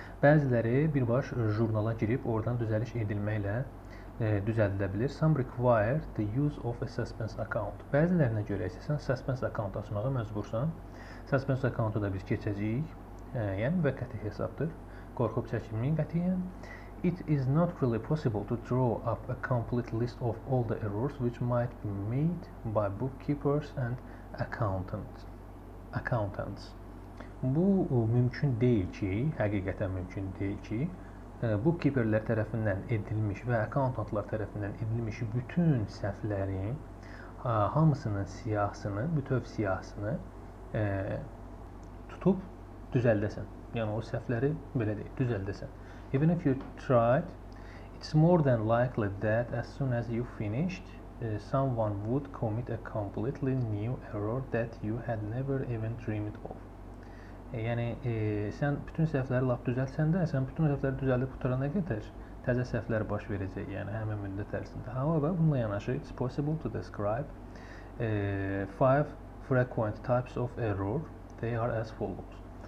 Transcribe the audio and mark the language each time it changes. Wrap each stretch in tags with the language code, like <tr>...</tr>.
<az>Bəziləri birbaş jurnala girib, oradan düzəliş edilməklə düzəldilə bilir.</az> <en>Some require the use of a suspense account.</en> <az>Bəzilərinə görə isə sən suspense account açmağa məcbursan. Suspense accountu da biz keçəcəyik. Yəni, müvəqqəti hesabdır. Qorxub çəkilməyin qətiyyən.</az> <en>It is not really possible to draw up a complete list of all the errors which might be made by bookkeepers and accountants.</en> <az>Bu, mümkün deyil ki, həqiqətən mümkün deyil ki, bookkeeperlər tərəfindən edilmiş və accountantlar tərəfindən edilmiş bütün səhvlərin hamısının siyahısını, bütöv siyahısını tutub düzəldəsən. Yəni, o səhvləri belə deyil, düzəldəsən.</az> <en>Even if you tried, it's more than likely that as soon as you finished, someone would commit a completely new error that you had never even dreamed of.</en> <az>Yəni, sən bütün səhvləri lap düzəlsən də, sən bütün səhvləri düzəldib qutarana qədər təzə səhvlər baş verəcək, yəni həmin müddət ərzində.</az> <en>However,</en> <az>bununla yanaşı,</az> <en>it's possible to describe 5 frequent types of error. They are as follows.</en>